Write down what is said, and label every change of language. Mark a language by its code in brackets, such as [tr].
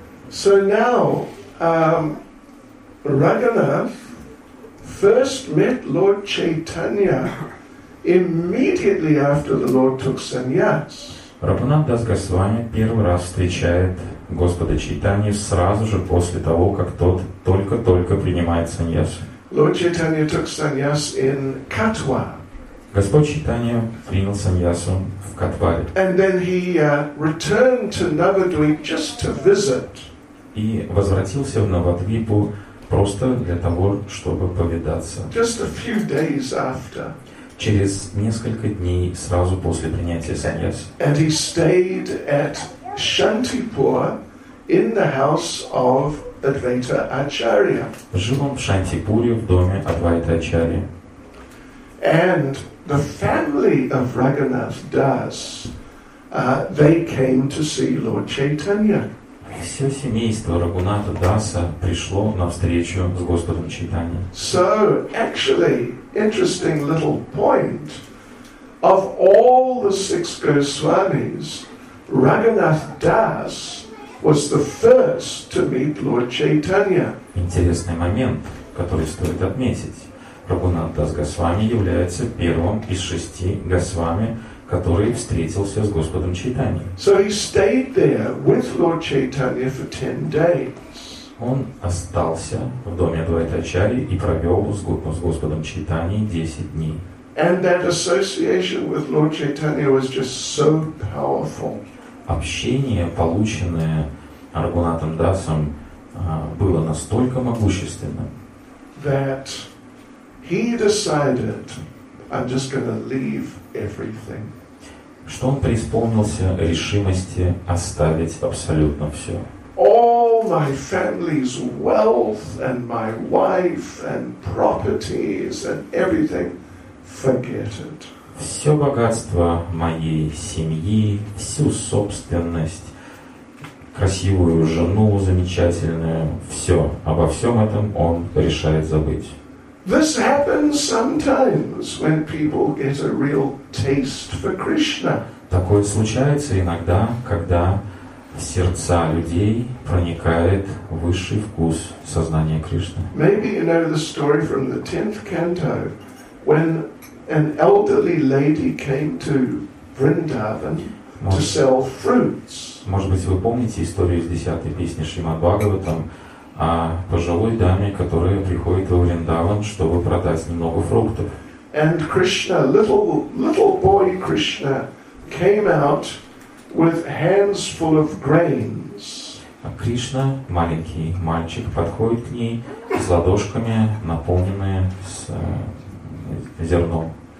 [en] So now, Raghunath first met Lord Chaitanya immediately after the Lord took sannyas. [ru] Рагунат Дас Госвами первый раз встречает Господа Чайтанью сразу же после того, как тот только-только принимает саньясу. [en] Lord Chaitanya took sannyas in Katwa. [ru] Господь Чайтанья принял саньясу в Катваре. [en] And then he returned to Navadvip just to visit. [ru] И возвратился в Навадвипу просто для того, чтобы повидаться. [en] Just a few days after. [ru] Через несколько дней сразу после принятия саньяс. [en] And he stayed at Shantipur in the house of Advaita Acharya. [ru] Жил он в Шантипуре в доме Адвайта Ачарьи. [en] And the family of Raghunath Das, they came to see Lord Chaitanya. [ru] Все семейство Рагунатха Даса пришло на встречу с Господом Чайтаньей. [en] So, actually, interesting little point. Of all the six Goswamis, Raghunath Das was the first to meet Lord Chaitanya. [ru] Интересный момент, который стоит отметить. Рагунат Дас Госвами является первым из шести Госвами, который встретился с Господом Чайтаньей. [en] So he stayed there with Lord Chaitanya for 10 days. [ru] Он остался в доме Адвайтачари и провел с Господом Чайтаньей 10 дней. [en] And that association with Lord Chaitanya was just so powerful. [ru] Общение, полученное Рагунатом Дасом, было настолько могущественным, [en] that he decided, I'm just going to leave everything. [ru] Что он преисполнился решимости оставить абсолютно все. [en] All my family's wealth and my wife and properties and everything. Forget it. [ru] Все богатство моей семьи, всю собственность, красивую жену замечательную, все, обо всем этом он решает забыть. [en] This happens sometimes when people get a real taste for Krishna. [ru] Такое случается иногда, когда в сердца людей проникает высший вкус сознания Кришны. [en] Maybe you know the story from the 10th canto, when an elderly lady came to Vrindavan to sell fruits. [ru] Может быть, вы помните историю из 10-й песни Шримад-Бхагаватам о пожилой даме, которая приходит во Вриндаван, чтобы продать немного фруктов. [en] And Krishna, little boy Krishna, came out with hands full of grains. [ru] А Кришна, маленький мальчик, подходит к ней с ладошками, наполненные с зерном.